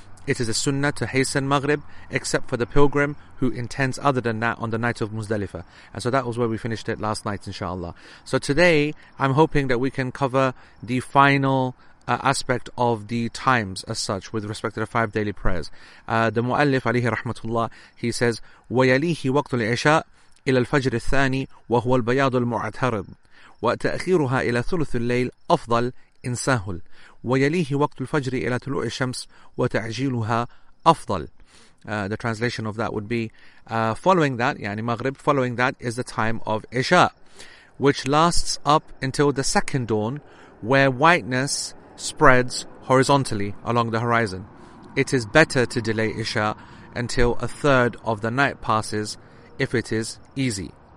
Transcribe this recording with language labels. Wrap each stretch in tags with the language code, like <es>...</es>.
<en>It is a sunnah to hasten Maghrib, except for the pilgrim who intends other than that on the night of Muzdalifah. And so that was where we finished it last night, inshallah. So today, I'm hoping that we can cover the final aspect of the times as such with respect to the five daily prayers. The Mu'allif alayhi rahmatullah, he says,</en> <ar>وَيَلِيهِ وَقْتُ الْعِشَاءِ إِلَى الْفَجْرِ الثَّانِي وَهُوَ الْبَيَاضُ الْمُعْتَرِضِ وَتَأْخِيرُهَا إِلَى ثُلُثِ اللَّيْلِ أَفْضَلٍ إِنْسَهُلْ وَيَلِيهِ وَقْتُ الْفَجْرِ إِلَى تُلُوءِ الشَّمْسِ وَتَعْجِيلُهَا أَفْضَلٍ.</ar> <en>The translation of that would be, following that, yani Maghrib, following that is the time of Isha, which lasts up until the second dawn, where whiteness spreads horizontally along the horizon. It is better to delay Isha until a third of the night passes, if it is easy.</en>